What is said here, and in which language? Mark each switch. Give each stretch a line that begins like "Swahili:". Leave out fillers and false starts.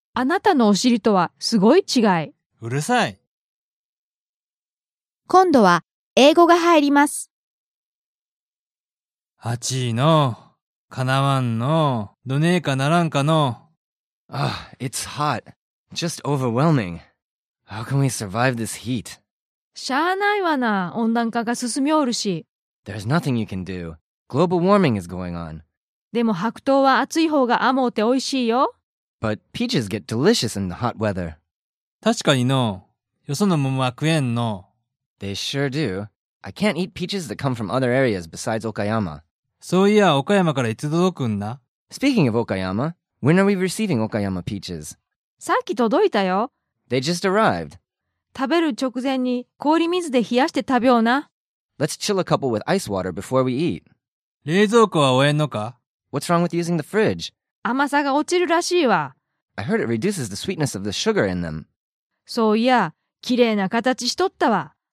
Japanese: あなたのお尻とはすごい違い。うるさい。今度は英語が入ります。あちいの、かなわんの、どねえかならんかの。
English: Ah, it's hot. Just overwhelming. How can we survive this heat?
Japanese: しゃあないわな、温暖化が進みおるし。
English: There's nothing you can do. Global warming is going on.
Japanese: でも白桃は暑い方が甘うておいしいよ。
English: But peaches get delicious in the hot weather.
Japanese: 確かにの、よその桃は食えんの。
English: They sure do. I can't eat peaches that come from other areas besides Okayama.
Japanese: そういや、Okayama からいつ届くんだ?
English: Speaking of Okayama, when are we receiving Okayama peaches?
Japanese: さっき届いたよ。
English: They just arrived.
Japanese: 食べる直前に氷水で冷やして食べような。
English: Let's chill a couple with ice water before we eat.
Japanese: 冷蔵庫は終えんのか?
English: What's wrong with using the fridge?
Japanese: 甘さが落ちるらしいわ。
English: I heard it reduces the sweetness of the sugar in them.
Japanese: そういや、綺麗な形しとったわ。